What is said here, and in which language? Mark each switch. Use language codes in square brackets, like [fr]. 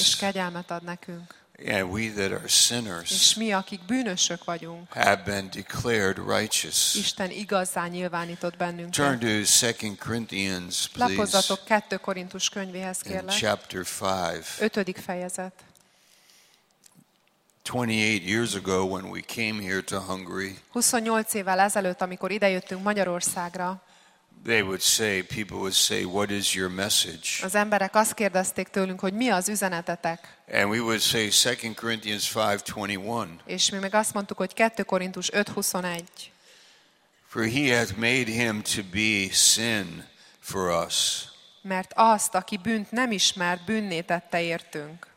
[hu] És kegyelmet ad nekünk. [en] And we that are sinners. [hu] És mi, akik bűnösök vagyunk. [en] Have been declared righteous. [hu] Isten igazzá nyilvánított bennünket. [en] Turn to 2 Corinthians, please. [hu] Lapozzatok 2 Korintus könyvéhez, kérlek. [en] In chapter 5. [hu] 5. fejezet. [en] 28 years ago when we came here to Hungary. [hu] 28 évvel ezelőtt, amikor idejöttünk Magyarországra. [en] They would say, people would say, what is your message? [hu] Az emberek azt kérdezték tőlünk, hogy mi az üzenetetek? [en] And we would say 2 Corinthians 5:21. [hu] És mi meg azt mondtuk, hogy 2 Korintus 5:21. [en] For he hath made him to be sin for us. [hu] Mert azt, aki bűnt nem ismert, bűnné tette értünk.